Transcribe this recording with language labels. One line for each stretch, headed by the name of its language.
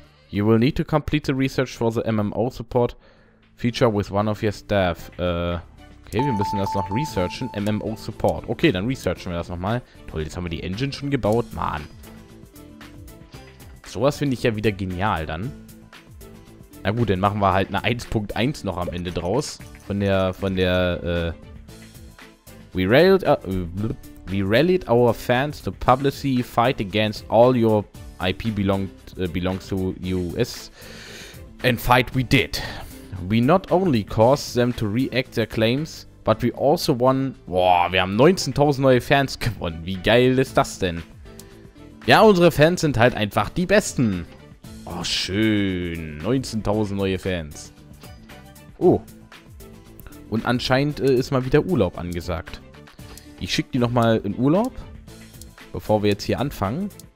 English: You will need to complete the research for the MMO support feature with one of your staff.
German: Okay, wir müssen das noch researchen. MMO support. Okay, dann researchen wir das nochmal. Toll, jetzt haben wir die Engine schon gebaut. Mann. Sowas finde ich ja wieder genial dann. Na gut, dann machen wir halt eine 1.1 noch am Ende draus.
English: We rallied our fans to publicly fight against all your IP belongs to US. And fight we did. We not only caused them to react their claims, but we also won.
German: Boah, wir haben 19.000 neue Fans gewonnen. Wie geil ist das denn? Ja, unsere Fans sind halt einfach die besten. Oh, schön. 19.000 neue Fans. Oh. Und anscheinend ist mal wieder Urlaub angesagt. Ich schicke die nochmal in Urlaub, bevor wir jetzt hier anfangen.